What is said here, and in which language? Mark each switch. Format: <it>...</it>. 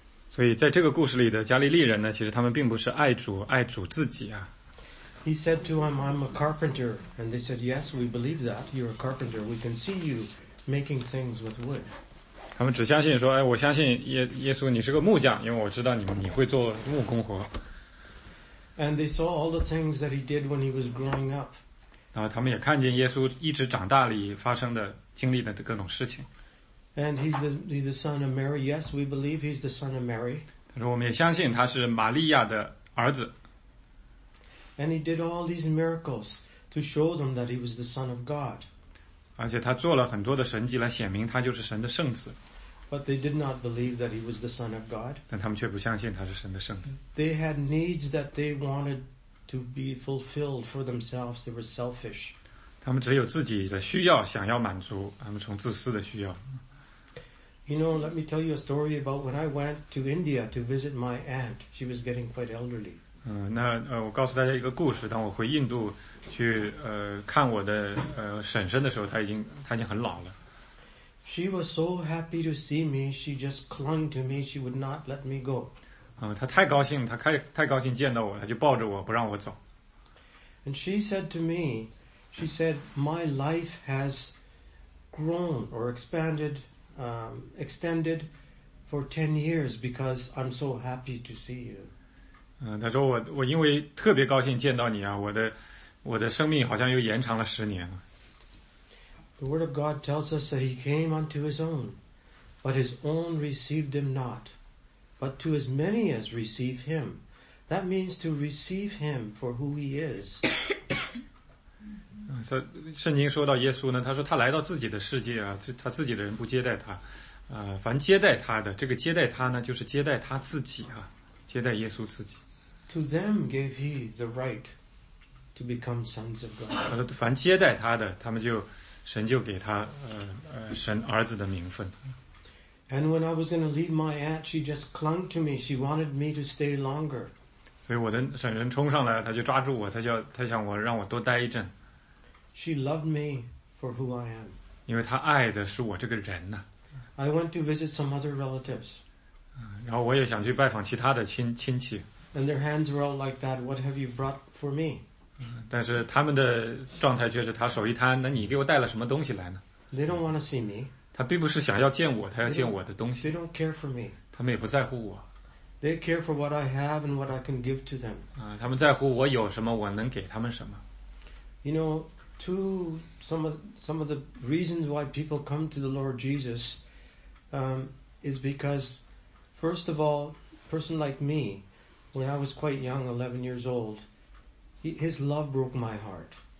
<zh>所以在这个故事里的加利利人呢，其实他们并不是爱主，爱主自己啊。</zh> <en>He said to him, I'm a carpenter. And they said, yes, we believe that. You're a carpenter. We can see you making things with wood.</en> <zh>他们只相信说，哎，我相信耶稣你是个木匠，因为我知道你会做木工活。</zh> <en>And they saw all the things that he did when he was growing up.</en> <zh>然后他们也看见耶稣一直长大里发生的经历的各种事情。</zh> <en>And he's the son of Mary. Yes, we believe he's the son of Mary.</en> <zh>他说我们也相信他是玛利亚的儿子。</zh> <en>And he did all these miracles to show them that he was the Son of God.</en> <zh>而且他做了很多的神迹来显明他就是神的圣子。</zh> <en>But they did not believe that he was the Son of God.</en> <zh>但他们却不相信他是神的圣子。</zh> <en>They had needs that they wanted to be fulfilled for themselves. They were selfish.</en> <zh>他们只有自己的需要想要满足，他们从自私的需要。</zh> <en>You know, let me tell you a story about when I went to India to visit my aunt. She was getting quite elderly.</en> <zh>我告诉大家一个故事。当我回印度去看我的婶婶的时候，她已经很老了。</zh> <en>She was so happy to see me. She just clung to me. She would not let me go.</en> <zh>他太高兴，他太高兴见到我，他就抱着我不让我走。</zh> <en>And she said to me, she said, my life has grown or expanded, extended for 10 years because I'm so happy to see you.</en> <zh>他说我因为特别高兴见到你啊，我的生命好像又延长了十年了。</zh> <en>The word of God tells us that he came unto his own, but his own received him not. But to as many as receive him, that means to receive him for who he is.</en> <zh>圣经说到耶稣呢，他说他来到自己的世界啊，他自己的人不接待他，凡接待他的，这个接待他呢，就是接待他自己啊，接待耶稣自己。</zh> <en>To them gave he the right to become sons of God.</en> <zh>他说凡接待他的，他们就神就给他神儿子的名分。</zh> <en>And when I was going to leave my aunt, she just clung to me. She wanted me to stay longer.</en> <zh>所以我的婶婶冲上来，她就抓住我，她想我让我多待一阵。</zh> <en>She loved me for who I am.</en> <zh>因为她爱的是我这个人呢。</zh> <en>I went to visit some other relatives.</en> <zh>然后我也想去拜访其他的亲戚。</zh> <en>And their hands were all like that. What have you brought for me?</en> <zh>但是他们的状态却是，他手一摊，那你给我带了什么东西来呢</zh> <en>？They don't want to see me.</en> <zh>他并不是想要见我，他要见我的东西。</zh> <en>They don't care for me.</en> <zh>他们也不在乎我。</zh> <en>They care for what I have and what I can give to them.</en> <zh>他们在乎我有什么，我能给他们什么。</zh> <en>You know, some of the reasons why people come to the Lord Jesus, is because, first of all, a person like me, when I was quite young, 11 years old, his love broke my heart.</en>